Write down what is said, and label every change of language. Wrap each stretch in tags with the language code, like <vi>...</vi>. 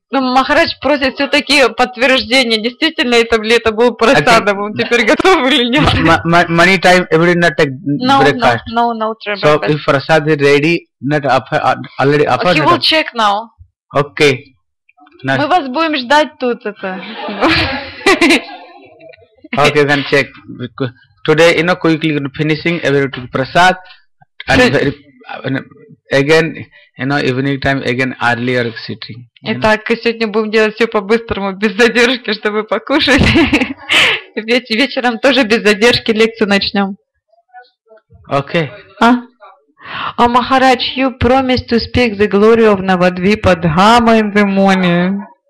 <ru>Ну, Махарадж просит все-таки подтверждение, действительно это ли это был Прасад, а он теперь готов или нет?</ru> <en>Many time everyone not take breakfast. No, trouble. So, if Prasad is ready, not upper, already upper? He will check now. Okay.</en> <ru>Мы вас будем ждать тут, это.</ru> <en>Okay, then check. Today, you know, quickly finishing, everyone took Prasad, and very... Again, you know, evening time, again, earlier sitting.</en> <ru>Итак, сегодня будем делать все по-быстрому, без задержки, чтобы покушать. Вечером тоже без задержки лекцию начнем.</ru> <en>Okay. А Махарадж, you promised to speak the glory of Navadvipa Dhamma in the morning.</en>